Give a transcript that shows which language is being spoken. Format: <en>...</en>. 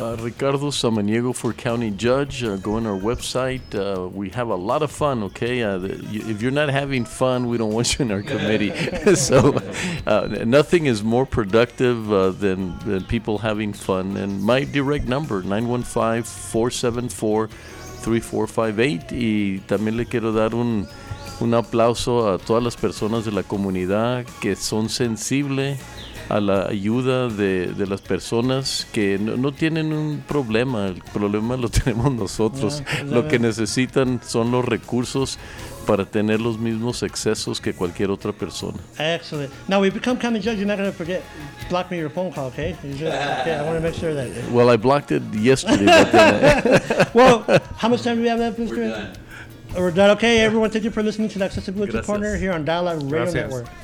<en>Ricardo Samaniego for County Judge. Go on our website. We have a lot of fun, okay? If you're not having fun, we don't want you in our committee. So nothing is more productive than people having fun. And my direct number, 915-474-3458.</en> <es>Y también le quiero dar un aplauso a todas las personas de la comunidad que son sensibles a la ayuda de las personas que no tienen un problema. El problema lo tenemos nosotros. Lo que necesitan son los recursos para tener los mismos excesos que cualquier otra persona.</es> <en>Excellent. Now, we become county judge, you're not going to forget, block me your phone call, okay? I want to make sure that... Well, I blocked it yesterday. Well, how much time do we have left, Mr.? We're done. We're done. Okay, everyone, thank you for listening to the Accessibility Corner here on Dialogue Radio Network.</en>